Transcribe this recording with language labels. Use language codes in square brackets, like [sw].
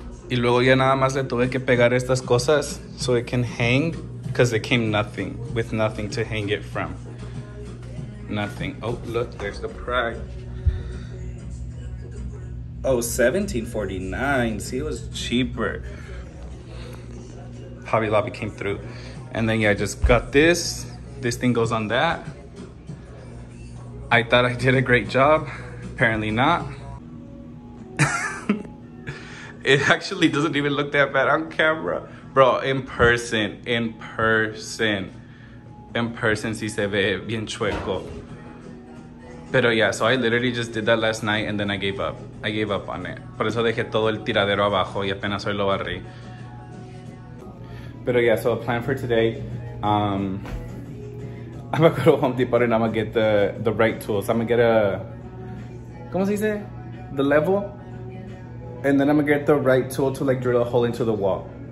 [es] Y luego ya nada más le tuve que pegar estas cosas [en] so it can hang. Because it came nothing, with nothing to hang it from. Nothing. Oh, look, there's the price. Oh, $17.49. See, it was cheaper. Hobby Lobby came through. And then, yeah, I just got this. This thing goes on that. I thought I did a great job. Apparently not. It actually doesn't even look that bad on camera. Bro, in person, [es] si se ve bien chueco. Pero [en] yeah, so I literally just did that last night and then I gave up on it. [es] Por eso dejé todo el tiradero abajo y apenas hoy lo barrí. Pero [en] yeah, so a plan for today, I'm gonna go to Home Depot and I'm gonna get the right tools. I'm gonna get a, [es] ¿cómo se dice? [en] The level? And then I'm gonna get the right tool to like drill a hole into the wall.